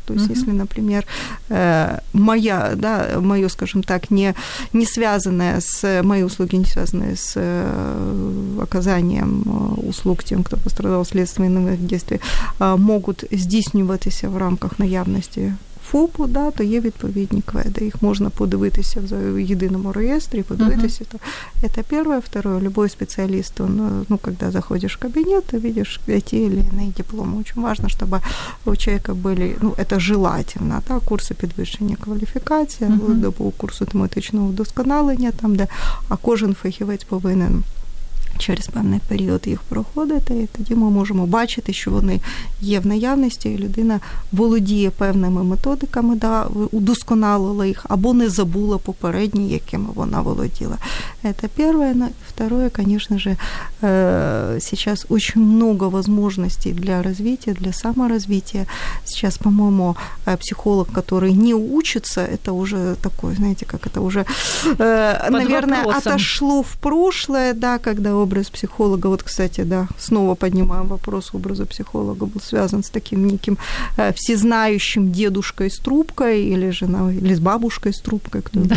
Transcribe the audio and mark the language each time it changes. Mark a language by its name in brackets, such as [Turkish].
[Russian] То есть если, например, мое, скажем так, не связанное с, мои услуги не связанные с оказанием услуг тем, кто пострадал следственных действий, могут [Ukrainian] здійснюватися в рамках наявности ФОПу, да, то є відповідні кведи. Їх можна подивитися в єдиному реєстрі, подивитися. Це перше. [Russian] Второе, любой [Ukrainian] спеціаліст, ну, коли заходиш в кабінет, ти бачиш ті чи інші дипломи. Дуже важливо, щоб у чоловіка були, ну, це желательно, да, курси підвищення кваліфікації, або курсу тематичного вдосконалення, там, де, а кожен фахівець повинен через певний період їх проходити, і тоді ми можемо бачити, що вони є в наявності, і людина володіє певними методиками, да, удосконалила їх, або не забула попередні, якими вона володіла. Це перше. Ну, і друге, звісно ж, зараз дуже багато можливостей для розвитку, для саморозвитку. Зараз, по-моєму, психолог, який не учиться, це вже [Russian] такий, знаєте, як це вже, наверное, отошло в прошлое, да, [Ukrainian] коли образ психолога, [Russian] вот, кстати, да, снова поднимаем вопрос, образа психолога был связан с таким неким всезнающим дедушкой с трубкой или же, ну, или с бабушкой с трубкой, кто да.